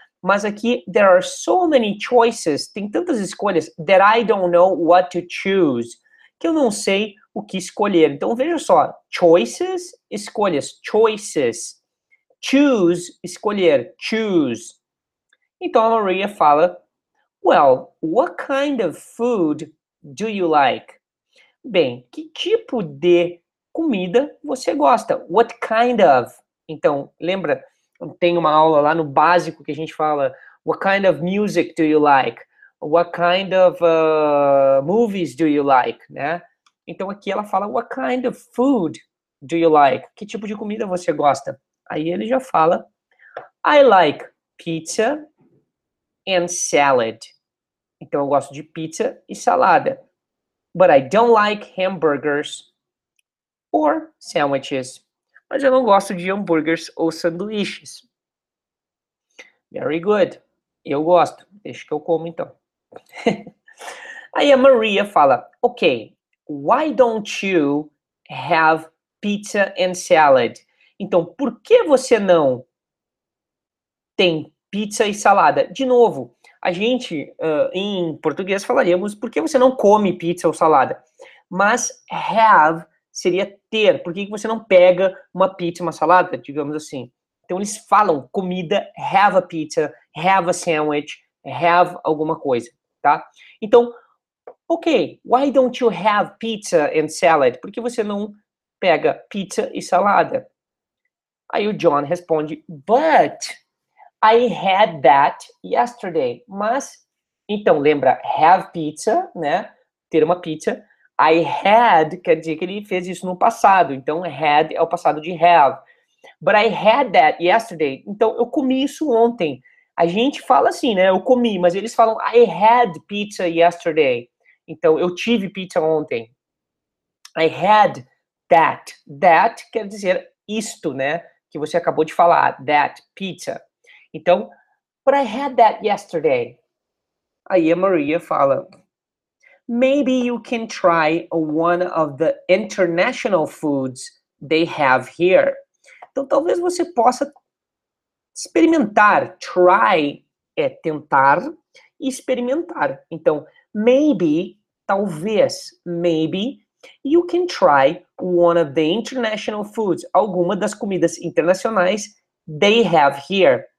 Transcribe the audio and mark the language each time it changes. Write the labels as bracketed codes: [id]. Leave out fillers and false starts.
[pt] Mas aqui, [en] there are so many choices, [pt] tem tantas escolhas, [en] that I don't know what to choose, [pt] que eu não sei o que escolher. Então, veja só, choices, escolhas, choices, choose, escolher, choose. Então, a Maria fala, [en] well, what kind of food do you like? [pt] Bem, que tipo de comida você gosta. [en] What kind of? [pt] Então, lembra, tem uma aula lá no básico que a gente fala, [en] what kind of music do you like? What kind of movies do you like? Né? [pt] Então, aqui ela fala, [en] what kind of food do you like? [pt] Que tipo de comida você gosta? Aí ele já fala, [en] I like pizza and salad. [pt] Então, eu gosto de pizza e salada. [en] But I don't like hamburgers or sandwiches. [pt] Mas eu não gosto de hambúrgueres ou sanduíches. [en] Very good. [pt] Eu gosto. Deixa que eu como, então. Aí a Maria fala, [en] ok, why don't you have pizza and salad? [pt] Então, por que você não tem pizza e salada? De novo, a gente, em português, falaríamos, por que você não come pizza ou salada? Mas have seria ter. Por que você não pega uma pizza, uma salada, digamos assim? Então, eles falam comida, [en] have a pizza, have a sandwich, [pt] have alguma coisa, tá? [en] Então, ok, why don't you have pizza and salad? [pt] Por que você não pega pizza e salada? Aí o John responde, [en] but I had that yesterday. [pt] Mas, então, lembra, have pizza, né? Ter uma pizza. I had, quer dizer que ele fez isso no passado. Então, had é o passado de have. [en] But I had that yesterday. [pt] Então, eu comi isso ontem. A gente fala assim, né? Eu comi, mas eles falam, [en] I had pizza yesterday. [pt] Então, eu tive pizza ontem. [en] I had that. [pt] That quer dizer isto, né? Que você acabou de falar, that pizza. [en] Então, but I had that yesterday. [pt] Aí a Maria fala, [en] maybe you can try one of the international foods they have here. [pt] Então, talvez você possa experimentar, try é tentar e experimentar. [en] Então, maybe, talvez, maybe, you can try one of the international foods, [pt] alguma das comidas internacionais [en] they have here.